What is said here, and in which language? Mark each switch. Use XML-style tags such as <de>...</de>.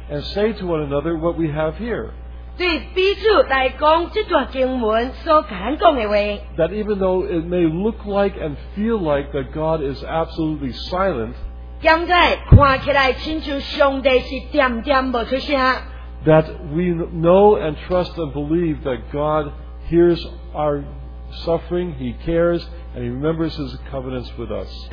<en>and say to one another what we have here.</en> <nan>对彼此来讲这段经文所讲的话,</nan> <en>that even though it may look like and feel like that God is absolutely silent,</en> <nan>现在看起来亲像上帝是点点不出声,</nan> <en>that we know and trust and believe that God hears our suffering, He cares, and He remembers His covenants with us.</en>